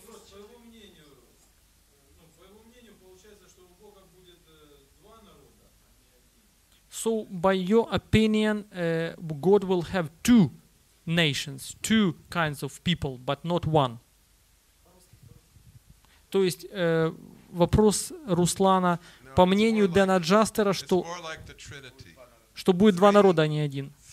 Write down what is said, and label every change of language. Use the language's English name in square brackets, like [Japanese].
[Russian] По его мнению, получается, что у Бога будет два народа, [English] So, by your opinion, God will have two nations, two kinds of people, but not one. [Russian] То есть вопрос Руслана, no, по мнению Дэна Джастера, что будет два народа, а не один.